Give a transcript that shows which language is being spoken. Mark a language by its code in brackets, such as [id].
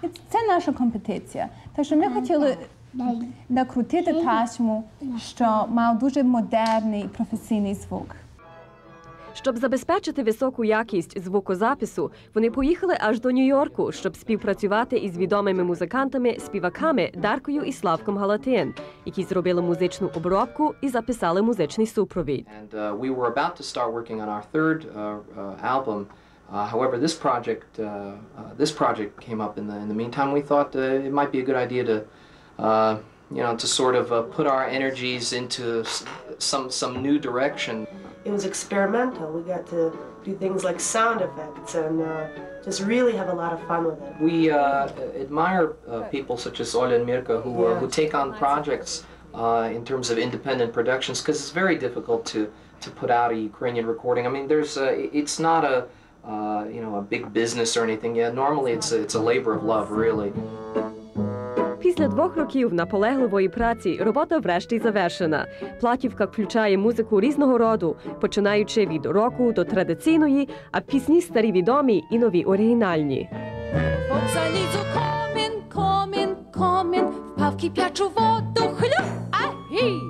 [uk] Це наша компетиція. Тож ми хотіли накрутити тасму, що мав дуже модерний професійний звук. Щоб забезпечити високу якість звукозапису, вони поїхали аж до Нью-Йорку, щоб співпрацювати із відомими музикантами-співаками Даркою і Славком Галатин, які зробили музичну обробку і записали музичний супровід. [en] And we were about to start working on our third album. However, this project came up in the meantime. We thought it might be a good idea to put our energies into some new direction. It was experimental. We got to do things like sound effects and just really have a lot of fun with it. We admire people such as Olya and Mirka who take on projects in terms of independent productions, because it's very difficult to to put out a Ukrainian recording. I mean, it's not a a big business or anything. Yeah, normally it's a labor of love, really. [uk] Після 2 років наполегливої праці робота врешті завершена. Платівка включає музику різного роду, починаючи від року до традиційної, а пісні старі відомі і нові оригінальні. Залізу комін, комін, комін, впав кип'ячу воду, хлю, агі!